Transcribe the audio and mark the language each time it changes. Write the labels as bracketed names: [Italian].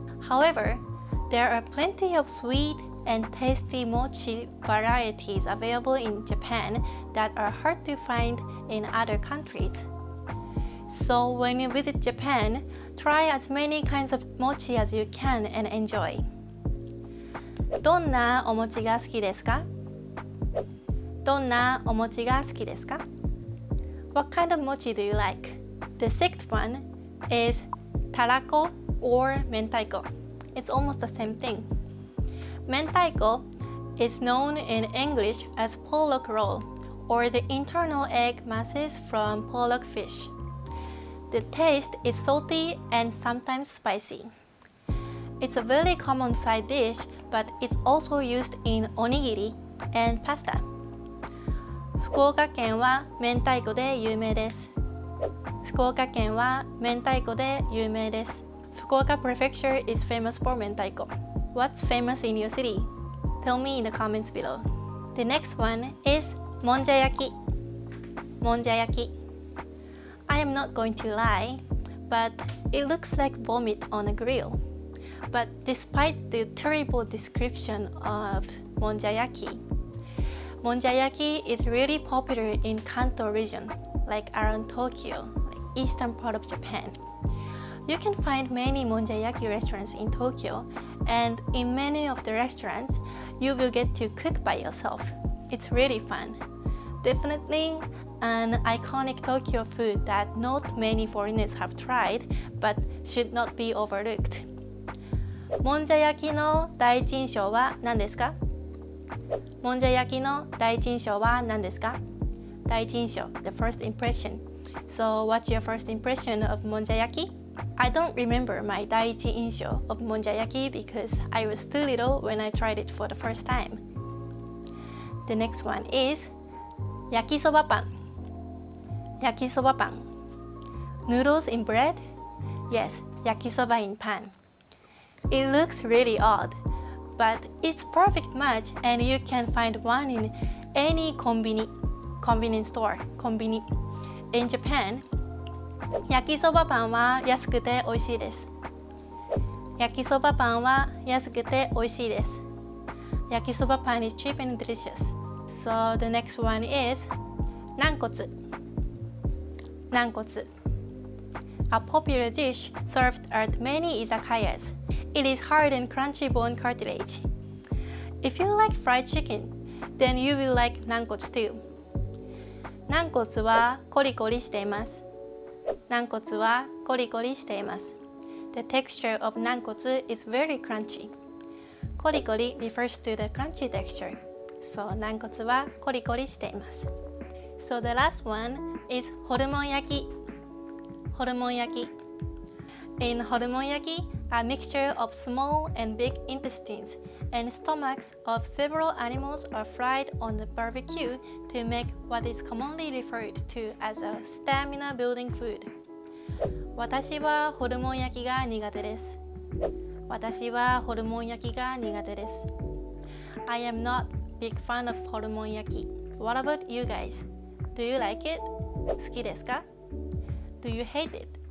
[English] However, there are plenty of sweet and tasty mochi varieties available in Japan that are hard to find in other countries. So when you visit Japan, try as many kinds of mochi as you can and enjoy. [Japanese] どんなお餅が好きですか?どんなお餅が好きですか? [English] What kind of mochi do you like? The sixth one is tarako or mentaiko. It's almost the same thing. Mentaiko is known in English as pollock roll, or the internal egg masses from pollock fish. The taste is salty and sometimes spicy. It's a very common side dish, but it's also used in onigiri and pasta. [Japanese] 福岡県は明太子で有名です。福岡県は明太子で有名です。 [English] 福岡 prefecture is famous for 明太子。What's famous in your city? Tell me in the comments below. The next one is monjayaki. Monjayaki. I am not going to lie, but it looks like vomit on a grill. But despite the terrible description of monjayaki, monjayaki is really popular in Kanto region, like around Tokyo, like eastern part of Japan. You can find many monjayaki restaurants in Tokyo, and in many of the restaurants, you will get to cook by yourself. It's really fun. Definitely an iconic Tokyo food that not many foreigners have tried, but should not be overlooked. [Japanese] もんじゃ焼きの第一印象は何ですか？もんじゃ焼きの第一印象は何ですか？ [English] 第一印象、the first impression. So what's your first impression of もんじゃ焼き？ I don't remember my 第一印象 of もんじゃ焼き because I was too little when I tried it for the first time. The next one is [Japanese] 焼きそばパン。焼きそばパン。 [English] Noodles in bread? Yes, 焼きそば in pan. It looks really odd, but it's perfect match and you can find one in any convenience store in Japan. [Japanese] 焼きそばパンは安くて美味しいです。焼きそばパンは安くて美味しいです。 [English] 焼きそばパン is cheap and delicious. So the next one is [Japanese] 軟骨。軟骨。 [English] A popular dish served at many izakayas. It is hard and crunchy bone cartilage. If you like fried chicken, then you will like 軟骨 too. [Japanese] 軟骨はコリコリしています。軟骨はコリコリしています。 [English] The texture of 軟骨 is very crunchy. コリコリ refers to the crunchy texture. [Japanese] So 軟骨はコリコリしています。 [English] So the last one is ホルモン焼き。 [Japanese] ホルモン焼き。 [English] In ホルモン焼き, a mixture of small and big intestines and stomachs of several animals are fried on the barbecue to make what is commonly referred to as a stamina building food. [Japanese] 私はホルモン焼きが苦手です。私はホルモン焼きが苦手です。 [English] I am not a big fan of ホルモン焼き.What about you guys? Do you like it? [Japanese] 好きですか? [English] Do you hate it?